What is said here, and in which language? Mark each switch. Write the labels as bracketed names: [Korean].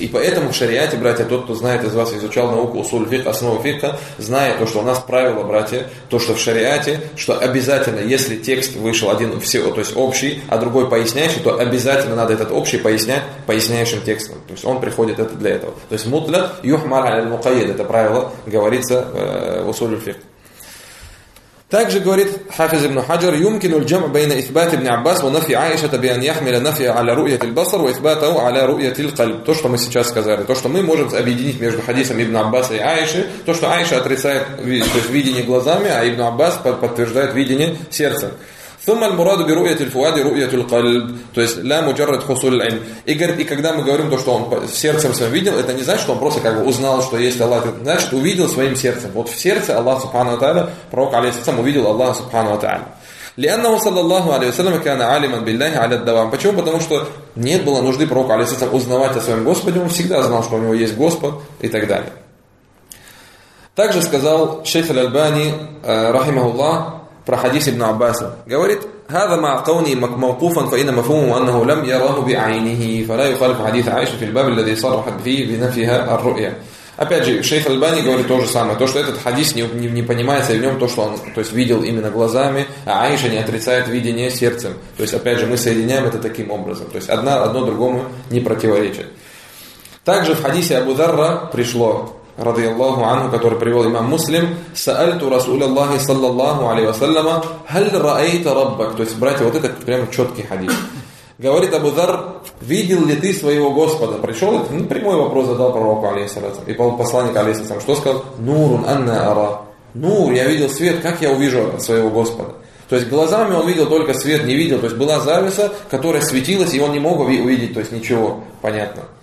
[Russian] И поэтому в шариате, братья, тот, кто знает из вас, изучал науку усуль фикха, основу фикха, знает то, что у нас правило, братья, то, что в шариате, что обязательно, если текст вышел один всего, то есть общий, а другой поясняющий, то обязательно надо этот общий пояснять поясняющим текстом. То есть он приходит это для этого. То есть [Arabic] мутля юхмар аль-мукаид, [Russian] это правило, говорится в усуль фикха. Также говорит Хафиз ибн Хаджар: [Arabic] يمكنُ الجمع بين إثبات ابن عباس ونفي عائشة بأن يحمل نفي على رؤية البصر وإثباته على رؤية القلب. [Russian] То, что мы сейчас сказали, то, что мы можем объединить между хадисом ибн Аббаса и Аиши, то, что Аиша отрицает, то есть, видение глазами, а ибн Аббас подтверждает видение сердцем. [Arabic] ثم المراد برؤية الفؤاد رؤية القلب. [Russian] То есть [Arabic] لا مجرد حصول العلم. [Russian] И говорит, и когда мы говорим то, что он сердцем своим видел, это не значит, что он просто как бы узнал, что есть Аллах. Это значит, увидел своим сердцем. Вот в сердце Аллах Субхану ва Тааля, пророк алейхиссалям, увидел Аллах Субхану ва Тааля. [Arabic] لأنه صلى الله عليه وسلم كان عالما بالله على الدوام. [Russian] Почему? Потому что нет было нужды пророку алейхиссалям узнавать о своем Господе. Он всегда знал, что у него есть Господь и так далее. Также сказал шейх аль-Альбани, рахимаху Аллах, про хадис ибн Аббаса. Говорит: [Arabic] هذا مع قوني موقوفا فإن مفهومه أنه لم يره بعينه فلا يخالف حديث عائشة في الباب الذي صرحت فيه بنفيها الرؤية. [Russian] Опять же, шейх Аль-Бани говорит то же самое, то, что этот хадис не понимается в нем то, что он, то есть, видел именно глазами, а Аиша не отрицает видение сердцем. То есть, опять же, мы соединяем это таким образом. То есть одно другому не противоречит. Также в хадисе Абу Дарра пришло, [Arabic] رضي الله عنه, [Russian] который привел имам Муслим: [Arabic] سألت رسول الله صلى الله عليه وسلم هل رأيت ربك. [Russian] То есть, братья, вот это прямо четкий хадис. Говорит Абу Дарр: видел ли ты своего Господа? Пришел, прямой вопрос задал пророку алейхиссалям. И посланник алейхиссалям что сказал? [Arabic] Нурун анна ара. [Russian] Нур, я видел свет, как я увижу своего Господа? То есть глазами он видел только свет, не видел. То есть была завеса, которая светилась, и он не мог увидеть, то есть ничего. Понятно.